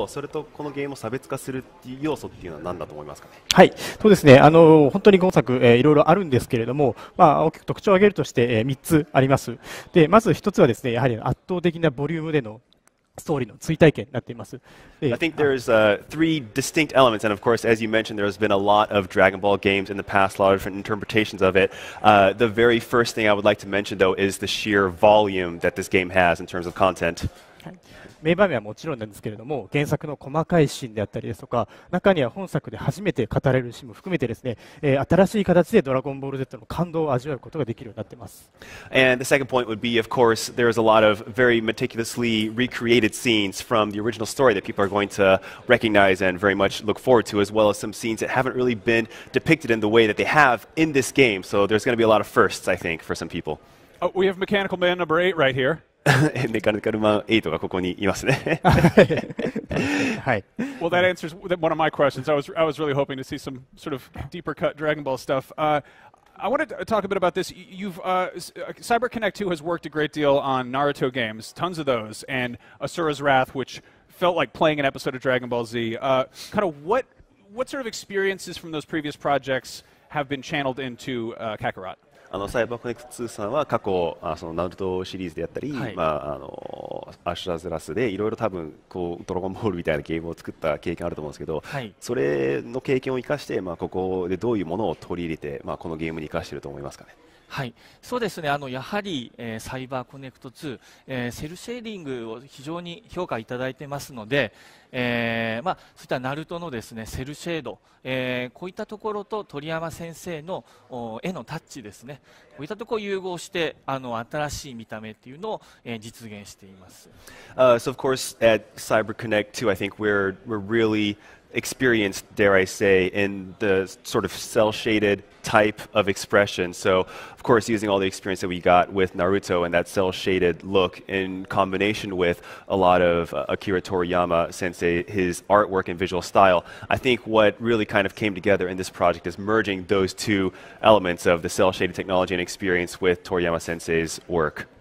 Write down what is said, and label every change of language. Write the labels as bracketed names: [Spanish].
[Japanese] それとこのゲームを差別化するっていう要素っていうのは何だと思いますかね。はい、そうですね。本当に今作、いろいろあるんですけれども、まあ、大きく特徴を挙げるとして、3つあります。でまず1つはですね、やはり圧倒的なボリュームでのストーリーの追体験になっています。 [English] I think there's three distinct elements, and of course, as you mentioned, there's been a lot of Dragon Ball games in the past, a lot of different interpretations of it. The very first thing I would like to mention, though, is the sheer volume that this game has in terms of content. [Japanese] 名場面はもちろんなんですけれども、原作の細かいシーンであったりですとか、中には本作で初めて語られるシーンも含めてですね、新しい形でドラゴンボール Z の感動を味わうことができるようになっています。 [English] And the second point would be, of course, there is a lot of very meticulously recreated scenes from the original story that people are going to recognize and very much look forward to, as well as some scenes that haven't really been depicted in the way that they have in this game. So there's going to be a lot of firsts, I think, for some people. Oh, we have Mechanical Man number 8 right here. [Japanese] メカニカルマン8がここにいますね。はい。 [English] Well, that answers one of my questions. I was really hoping to see some sort of deeper cut Dragon Ball stuff. I wanted to talk a bit about this. Cyber Connect 2 has worked a great deal on Naruto games, tons of those, and Asura's Wrath, which felt like playing an episode of Dragon Ball Z. Kind of what sort of experiences from those previous projects have been channeled into Kakarot? [Japanese] サイバーコネクト2さんは過去そのナルトシリーズであったり、はい、まあ、アシュラズラスでいろいろ多分こうドラゴンボールみたいなゲームを作った経験あると思うんですけど、はい、それの経験を生かして、まあ、ここでどういうものを取り入れて、まあ、このゲームに生かしていると思いますかね。はい、そうですね。やはり、サイバーコネクト2、セルシェーディングを非常に評価いただいてますので、まあ、そういったナルトのですね、セルシェード、こういったところと鳥山先生の絵のタッチですね、こういったところを融合して新しい見た目というのを、実現しています。 [English] So of course at Cyber Connect 2 I think we're reallyexperienced, dare I say, in the sort of cel-shaded type of expression. So, of course, using all the experience that we got with Naruto and that cel-shaded look in combination with a lot of Akira Toriyama sensei, his artwork and visual style, I think what really kind of came together in this project is merging those two elements of the cel-shaded technology and experience with Toriyama sensei's work.